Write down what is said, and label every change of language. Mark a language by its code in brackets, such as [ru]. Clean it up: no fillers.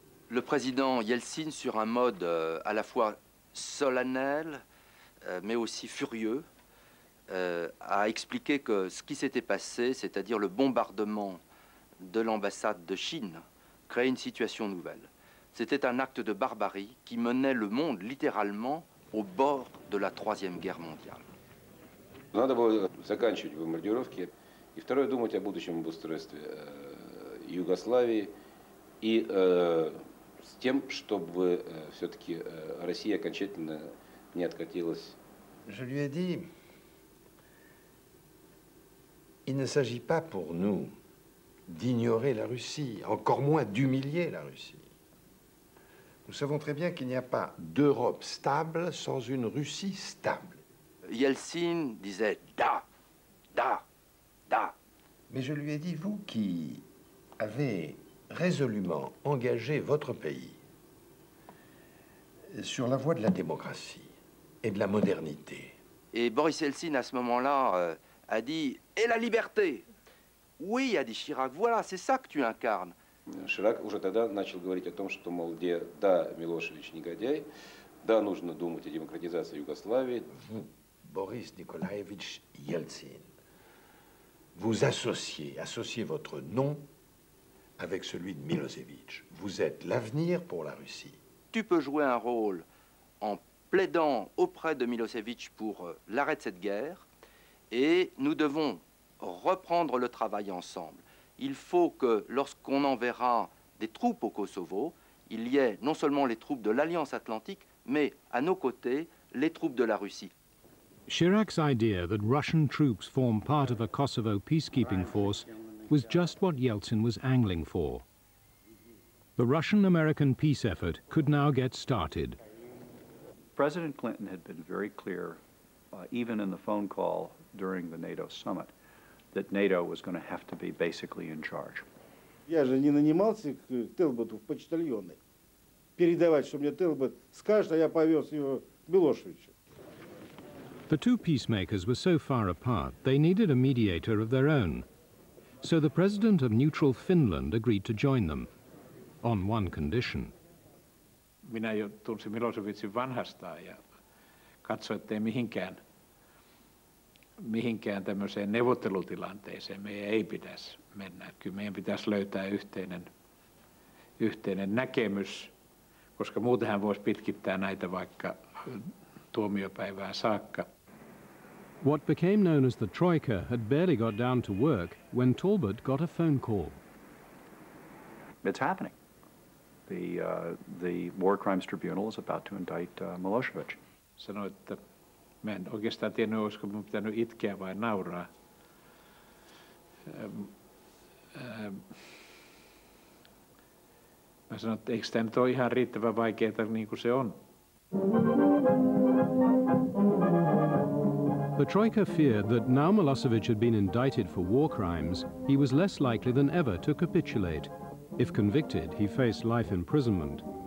[fr] Le président Yeltsin, sur un mode à la fois solennel, mais aussi furieux, a expliqué que ce qui s'était passé, c'est-à-dire le bombardement de l'ambassade de Chine, créait une situation nouvelle. C'était un acte de barbarie qui menait le monde littéralement au bord de la Troisième Guerre mondiale. [ru] Надо было заканчивать бомбардировки и второе думать о будущем обустройстве Югославии и с тем, чтобы все-таки Россия окончательно не откатилась. [fr] Je lui ai dit, il ne s'agit pas pour nous d'ignorer la Russie, encore moins d'humilier la Russie. Nous savons très bien qu'il n'y a pas d'Europe stable sans une Russie stable. Yeltsin disait « [ru] da, da, da ». [fr] Mais je lui ai dit, vous qui avez résolument engagé votre pays sur la voie de la démocratie et de la modernité. Et Boris Yeltsin, à ce moment-là, a dit « et la liberté ». Oui, a dit Chirac, voilà, c'est ça que tu incarnes. Chirac уже тогда начал говорить о том, что, мол, где, да, Милошевич негодяй, да, нужно думать о демократизации Югославии. Vous, Борис Николаевич Ельцин, vous associez votre nom avec celui de Милошевич. Vous êtes l'avenir pour la Russie. Tu peux jouer un rôle en plaidant auprès de Милошевич pour l'arrêt de cette guerre, et nous devons reprendre le travail ensemble. Il faut que lorsqu'on enverra des troupes au Kosovo, il y ait non seulement les troupes de l'Alliance Atlantique, mais à nos côtés, les troupes de la Russie. [en] Chirac's idea that Russian troops form part of a Kosovo peacekeeping force was just what Yeltsin was angling for. The Russian-American peace effort could now get started. President Clinton had been very clear, even in the phone call during the NATO summit, that NATO was going to have to be basically in charge. [ru] Я же не нанимался к Телботу в почтальоны. Передавать, что мне Телбот скажет, а я повез его к Милошевичу. [en] The two peacemakers were so far apart, they needed a mediator of their own. So the president of neutral Finland agreed to join them, on one condition. [fi] Minä jo tunsin Milosevicin vanhastaan ja katsoin, ettei mihinkään tämmöiseen neuvottelutilanteeseen meidän ei pitäisi mennä. Kyllä meidän pitäisi löytää yhteinen näkemys, koska muuten hän voisi pitkittää näitä vaikka tuomiopäivään saakka. [en] What became known as the Troika had barely got down to work when Talbot got a phone call. It's happening. The War Crimes Tribunal is about to indict Milosevic. [fi] Sanoi, että mä en oikeastaan tiennyt, olisiko mun pitänyt itkeä vai nauraa. Mä sanoin, että eikö tämä nyt ole ihan riittävän vaikeaa niin kuin se on. [en] The Troika feared that now Milosevic had been indicted for war crimes, he was less likely than ever to capitulate. If convicted, he faced life imprisonment.